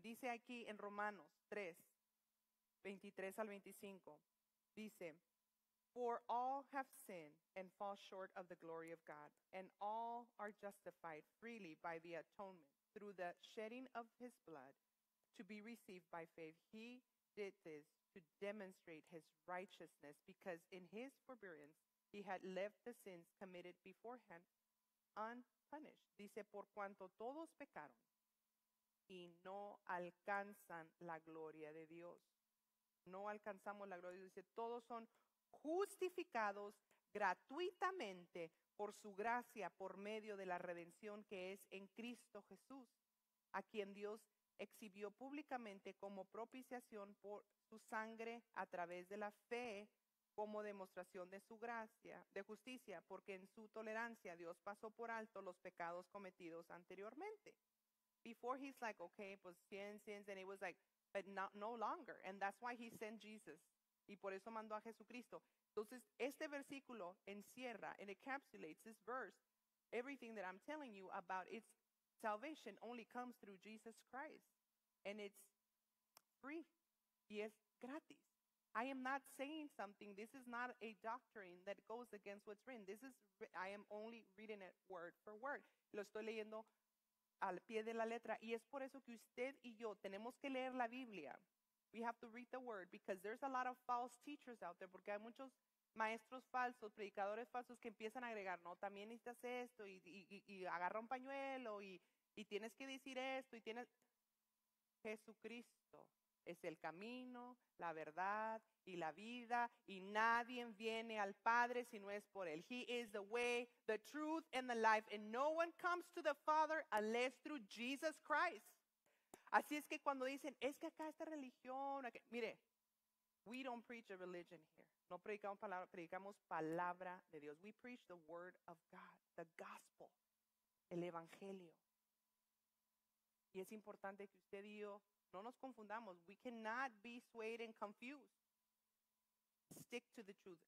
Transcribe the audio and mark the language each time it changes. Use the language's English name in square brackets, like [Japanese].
[Spanish] Dice aquí en Romanos 3, 23 al 25, dice, [English] for all have sinned and fall short of the glory of God, and all are justified freely by the atonement through the shedding of his blood to be received by faith. He did this to demonstrate his righteousness because in his forbearance, he had left the sins committed beforehand unpunished. [Spanish] Dice, por cuanto todos pecaron y no alcanzan la gloria de Dios. No alcanzamos la gloria de Dios. Dice, todos son justificados gratuitamente por su gracia, por medio de la redención que es en Cristo Jesús, a quien Dios exhibió públicamente como propiciación por su sangre a través de la fe, como demostración de su gracia, de justicia, porque en su tolerancia Dios pasó por alto los pecados cometidos anteriormente. [English] Before he's like, okay, pues 100 sins, and it was like, but not, no longer. And that's why he sent Jesus. [Spanish] Y por eso mandó a Jesucristo. Entonces, este versículo encierra, [English] and encapsulates this verse, everything that I'm telling you about. It's salvation only comes through Jesus Christ. And it's free. [Spanish] Y es gratis. [English] I am not saying something. This is not a doctrine that goes against what's written. This is, I am only reading it word for word. [Spanish] Lo estoy leyendo al pie de la letra. Y es por eso que usted y yo tenemos que leer la Biblia. [English] We have to read the word, because there's a lot of false teachers out there. [Spanish] Porque hay muchos maestros falsos, predicadores falsos que empiezan a agregar, no, también necesitas esto, y agarra un pañuelo, y tienes que decir esto, y tienes... Jesucristo es el camino, la verdad y la vida, y nadie viene al Padre si no es por él. [English] He is the way, the truth, and the life, and no one comes to the Father unless through Jesus Christ. [Spanish] Así es que cuando dicen, es que acá esta religión, acá... mire, [English] we don't preach a religion here. [Spanish] No predicamos palabra, predicamos palabra de Dios. [English] We preach the word of God, the gospel, el evangelio. [Spanish] Y es importante que usted y yo no nos confundamos. [English] We cannot be swayed and confused. Stick to the truth.